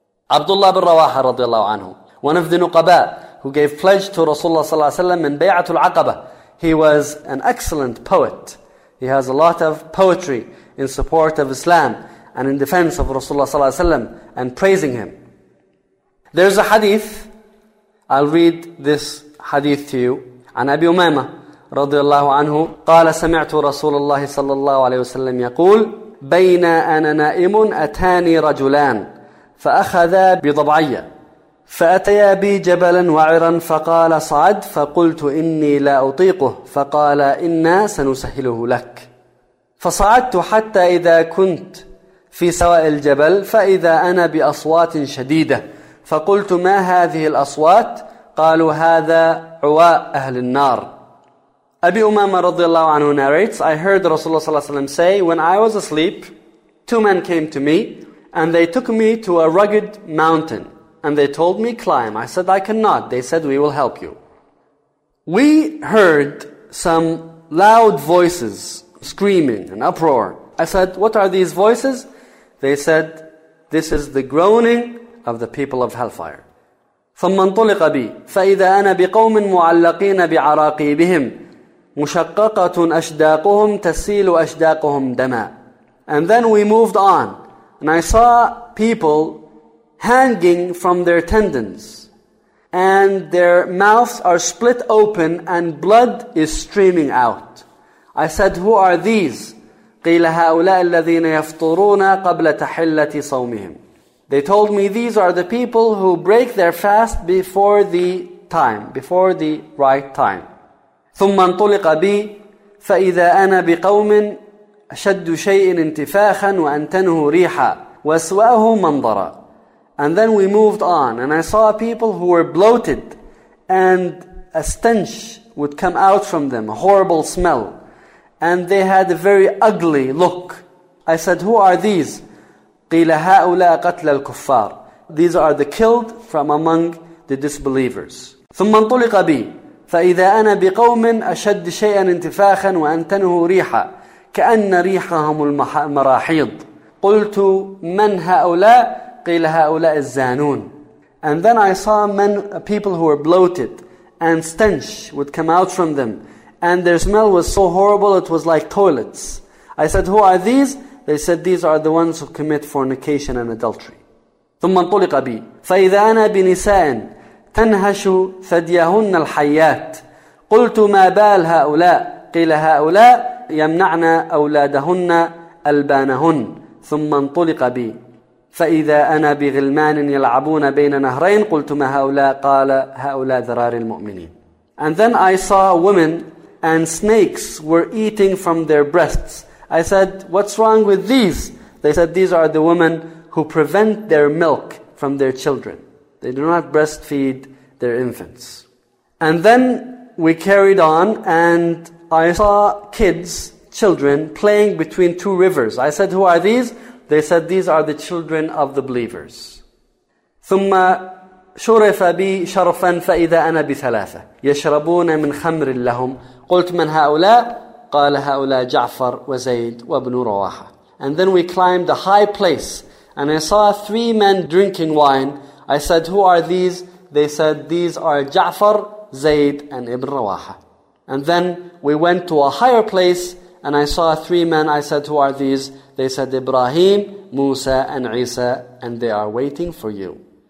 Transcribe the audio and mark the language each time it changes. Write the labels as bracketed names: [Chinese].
[English] Abdullah bin Rawaha radiallahu anhu, one of the Nuqaba who gave pledge to Rasulullah sallallahu alaihi wasallam in Bay'atul Aqaba. He was an excellent poet. He has a lot of poetry in support of Islam and in defense of Rasulullah sallallahu alaihi wasallam and praising him. There's a hadith. I'll read this hadith to you. [Arabic] عن أبي أمامة رضي الله عنه قال سمعت رسول الله صلى الله عليه وسلم يقول بين أنا نائم أتاني رجلان فأخذا بضبعية فأتيا بي جبلا وعرا فقال صعد فقلت إني لا أطيقه فقال إنا سنسهله لك فصعدت حتى إذا كنت في سواء الجبل فإذا أنا بأصوات شديدة فقلت ما هذه الأصوات؟ قالوا هذا عواء أهل النار. [English] أبي أمامة رضي الله عنه narrates, I heard Rasulullah صلى الله عليه وسلم say, when I was asleep, two men came to me and they took me to a rugged mountain and they told me, climb. I said, I cannot. They said, we will help you. We heard some loud voices screaming and uproar. I said, what are these voices? They said, this is the groaning of the people of hellfire. [Arabic] ثم انطلق بي فإذا أنا بقوم معلقين بعراقيبهم مشققة أشداقهم تسيل أشداقهم دما. [English] And then we moved on, and I saw people hanging from their tendons, and their mouths are split open, and blood is streaming out. I said, who are these? [Arabic] قيل هؤلاء الذين يفطرون قبل تحلة صومهم. [English] They told me, these are the people who break their fast before the time, before the right time. [Arabic] ثم انطلق بي فإذا أنا بقوم أشد شيء انتفاخا وأنتنه ريحا وأسوأه منظرا. [English] And then we moved on, and I saw people who were bloated, and a stench would come out from them, a horrible smell, and they had a very ugly look. I said, who are these? [Arabic] قيل هؤلاء قتل الكفار. [English] These are the killed from among the disbelievers. [Arabic] ثم انطلق بي فإذا أنا بقوم أشد شيئا انتفاخا وأنتنه ريحا كأن ريحهم المراحيض. قلت من هؤلاء؟ قيل هؤلاء الزانون. [English] And then I saw men, people who were bloated, and stench would come out from them, and their smell was so horrible it was like toilets. I said, who are these? They said, these are the ones who commit fornication and adultery. [Arabic] ثم انطلق بي فإذا أنا بنساء تنهش ثديهن الحيات. قلت ما بال هؤلاء؟ قيل هؤلاء يمنعن أولادهن ألبانهن. ثم انطلق بي فإذا أنا بغلمان يلعبون بين نهرين. قلت ما هؤلاء؟ قال هؤلاء ذرار المؤمنين. [English] And then I saw women and snakes were eating from their breasts. I said, what's wrong with these? They said, these are the women who prevent their milk from their children. They do not breastfeed their infants. And then we carried on and I saw kids, children, playing between two rivers. I said, who are these? They said, these are the children of the believers. [Arabic] ثم شرف بي شرفا فإذا أنا بثلاثة يشربون من خمر لهم. قلت من هؤلاء؟ قال هؤلاء جعفر وزيد وابن رواحة. [English] And then we climbed a high place and I saw three men drinking wine. I said, who are these? They said, these are جعفر, زيد and ابن رواحة. And then we went to a higher place and I saw three men. I said, who are these? They said, Ibrahim, Musa and Isa, and they are waiting for you.